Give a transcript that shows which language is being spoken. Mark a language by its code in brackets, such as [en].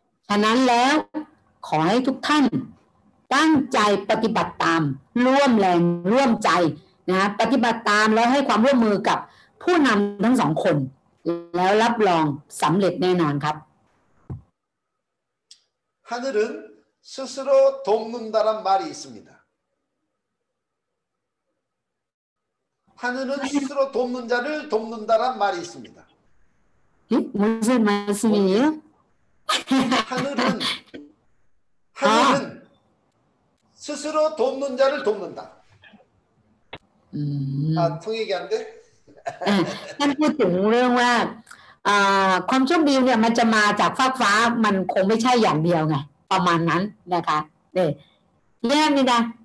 [th] ฉะนั้นแล้วขอให้ทุกท่านตั้งใจปฏิบัติตามร่วมแรงร่วมใจนะปฏิบัติตามแล้วให้ความร่วมมือกับผู้นำทั้งสองคนแล้วรับรองสำเร็จแน่นอนครับ [ko] 하늘은 스스로 돕는다란 말이 있습니다하늘은 스스로 돕는 자를 돕는다란 말이 있습니다 무슨 말씀이에요 하늘은 스스로 돕는 자를 돕는다 아 통역이 안 돼 [th] ท่านพูดถึงเรื่องว่าความโชคดีเนี่ยมันจะมาจากฟากฟ้ามันคงไม่ใช่อย่างเดียวไงประมาณนั้นนะคะเนี่ยนี่นะ